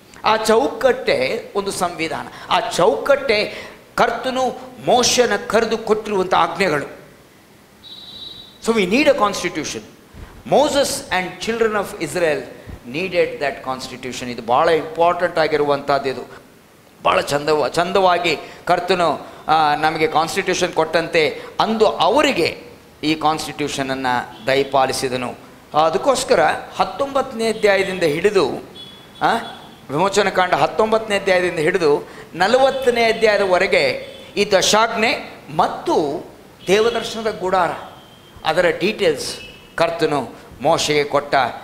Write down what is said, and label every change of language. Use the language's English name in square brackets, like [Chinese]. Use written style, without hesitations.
[Kannada] ಆ ಚೌಕಟ್ಟೇ ಒಂದು ಸಂವಿಧಾನ. ಆ ಚೌಕಟ್ಟೇ ಕರ್ತನು ಮೋಶನ ಕರೆದು ಕೊಟ್ಟಿರುವಂಥ ಆಜ್ಞೆಗಳು. [English] So we need a constitution. Moses and children of Israel needed that constitution. [Kannada] ಇದು ಭಾಳ ಇಂಪಾರ್ಟೆಂಟ್ ಆಗಿರುವಂಥದ್ದು. ಇದು ಭಾಳ ಚಂದವಾಗಿ ಕರ್ತನು ನಮಗೆ ಕಾನ್ಸ್ಟಿಟ್ಯೂಷನ್ ಕೊಟ್ಟಂತೆ ಅಂದು ಅವರಿಗೆ ಈ ಕಾನ್ಸ್ಟಿಟ್ಯೂಷನನ್ನು ದಯಪಾಲಿಸಿದನು. ಅದಕ್ಕೋಸ್ಕರ 19ನೇ ಅಧ್ಯಾಯದಿಂದ ಹಿಡಿದು ವಿಮೋಚನಕಾಂಡ 19ನೇ ಅಧ್ಯಾಯದಿಂದ ಹಿಡಿದು 40ನೇ ಅಧ್ಯಾಯದವರೆಗೆ ಈ ದಶಾಗ್ನೆ ಮತ್ತು ದೇವದರ್ಶನದ ಗುಡಾರ ಅದರ ಡೀಟೇಲ್ಸ್ ಕರ್ತನು ಮೋಶೆಗೆ ಕೊಟ್ಟ.